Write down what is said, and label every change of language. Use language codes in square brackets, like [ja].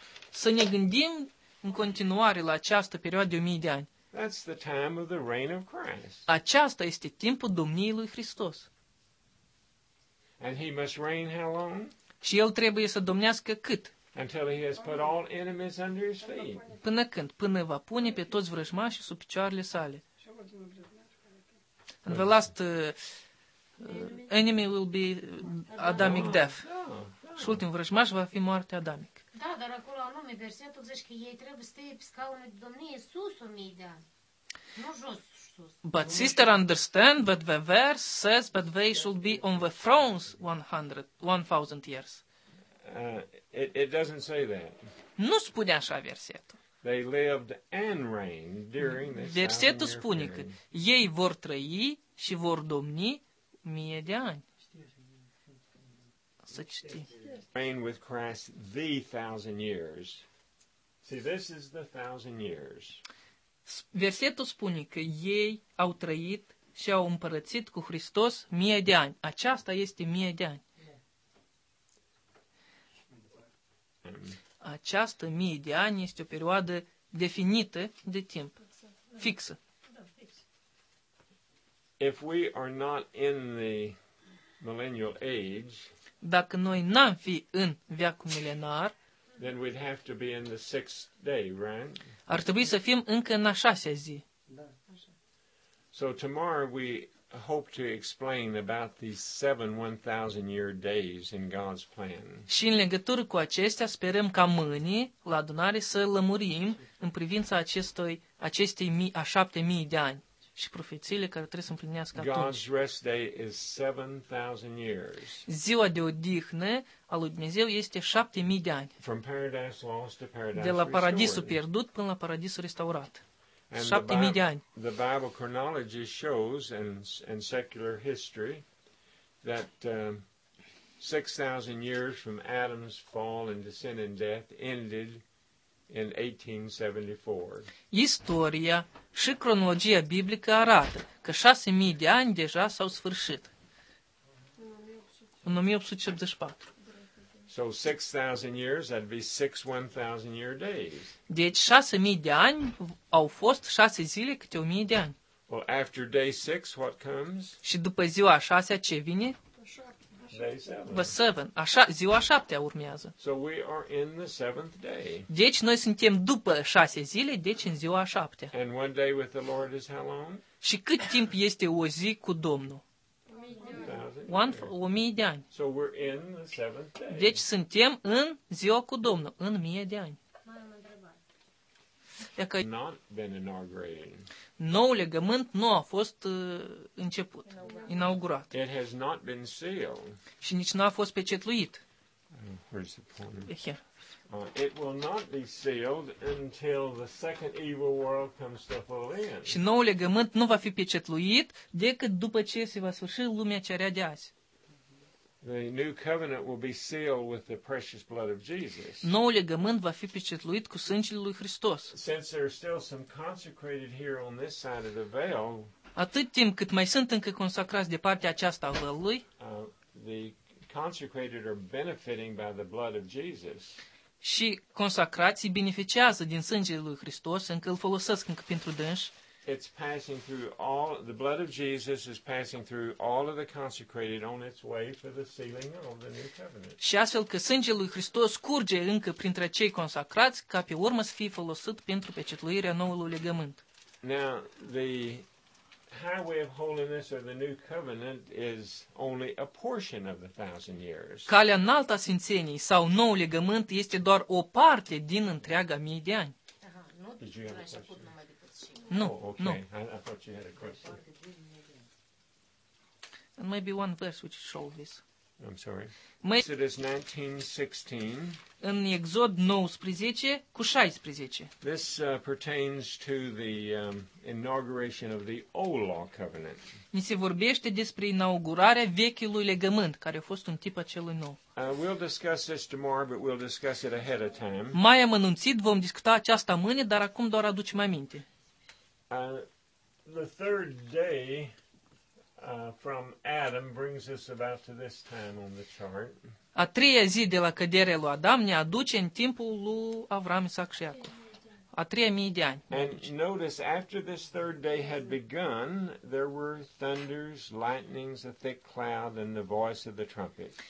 [ro] Să ne gândim în continuare la această perioadă de 1000 de ani. [en] That's the time of the reign of Christ. [ro] Aceasta este timpul domniei lui Hristos. [en] And he must reign how long? [ro] Și el trebuie să domnească cât? [en] Until he has put all enemies under his feet. [ro] Până când? Până va pune pe toți vrăjmașii sub picioarele sale. [en] And the last enemy will be Adamic death. [ro] Și ultimul vrăjmaș va fi moartea Adamic. Da, dar acolo anume versetul zice că ei trebuie să stea pe scaunul de domnie sus 1000 de ani. Nu jos, sus. [en] But sister understand that the verse says that they should be on the thrones 1000 years. It doesn't say that. [ro] Nu spune așa versetul. [en] They lived and reigned during this. [ro] Versetul spune că ei vor trăi și vor domni 1000 de ani. Să citim. [en] Reign with Christ the 1,000 years. See, this is the 1,000 years. [ro] Versetul spune că ei au trăit și au împărățit cu Hristos 1000 de ani. Aceasta este 1000 de ani. Această 1000 de ani este o perioadă definită de timp. Fixă. [en] If we are not in the millennial age, [ro] dacă noi n-am fi în veacul milenar, [en] then we'd have to be in the sixth day, right? [ro] Ar trebui să fim încă în a șasea zi. Da, așa. [en] So tomorrow we hope to explain about these 7,000 year days in God's plan. [ro] Și în legătură cu acestea, sperăm ca mâine la adunare să lămurim în privința acestei 7,000 de ani și profețiile care trebuie să împlinească atunci. [en] God's rest day is 7,000 years. [ro] Ziua de odihnă a lui Dumnezeu este 7,000 de ani. [en] From paradise lost to paradise [ro] de la paradisul pierdut până la paradisul restaurat. 7,000 de ani. [en] The Bible chronology shows and secular history that 6,000 years from Adam's fall and descent and death ended in 1874. [ro] Istoria și cronologia biblică arată că 6,000 de ani deja s-au sfârșit. În 1884. [en] So 6,000 years, that'd be 6 1,000 year days. [ro] Deci 6,000 de ani au fost 6 zile câte 1,000 de ani. [en] Well, after day six, what comes? [ro] Și după ziua a șasea ce vine? [en] Day seven. [ro] Așa, ziua a șaptea urmează. [en] So we are in the seventh day. [ro] Deci noi suntem după șase zile, deci în ziua a șaptea. [en] And one day with the Lord is how long? [ro] Și cât timp este o zi cu Domnul? 1000 de ani. [en] So we're in the seventh day. [ro] Deci suntem în ziua cu Domnul, în 1000 de ani. Dacă [en] not been inaugurated. [ro] Nou legământ nu a fost început, inaugurat. [en] It has not been sealed. [ro] Și nici nu a fost pecetluit. [en] Where's the pointer? Here. It will not be sealed until the second evil world comes to full end. [ro] Și nou legământ nu va fi pecetluit decât după ce se va sfârși lumea cea rea de azi. [en] The new covenant will be sealed with the precious blood of Jesus. [ro] Noul legământ va fi pecetluit cu sângele lui Hristos. [en] Since there are still some consecrated here on this side of the veil. [ro] Atât timp cât mai sunt încă consacrați de partea aceasta a vălului. [en] The consecrated are benefiting by the blood of Jesus. [ro] Și consacrații beneficiază din sângele lui Hristos, încă îl folosesc încă pentru dânși. [en] It's passing through all the blood of Jesus is passing through all of the consecrated on its way for the sealing of the new covenant. [ro] Și astfel că sângele lui Hristos curge încă printre cei consacrați ca pe urmă să fie folosit pentru pecetluirea noului legământ. [en] Now the highway of holiness or the new covenant is only a portion of the 1000 years. [ro] Calea înaltă a sfințeniei sau noul legământ este doar o parte din întreaga 1000 de ani. [en] Did you have a question? No, oh, okay. No. I thought you had a question. And maybe one verse which shows this. I'm sorry. Exodus 19:16. [ro] În Exod 19 cu 16. [en] This pertains to the inauguration of the old law covenant. [ro] Ni se vorbește despre inaugurarea vechiului legământ care a fost un tip a celui nou. [en] We'll discuss this tomorrow, but we'll discuss it ahead of time. [ro] Mai am anunțit, vom discuta aceasta mâine, dar acum doar aducem aminte. [en] The third day from Adam brings us about to this time on the chart. [ro] A treia zi de la căderea lui Adam ne aduce în timpul lui Avram, Isaac și Iacov. A treia mie de ani. [en] And notice after this third day had begun, there were thunders, lightnings, a thick cloud, and the voice of the trumpet.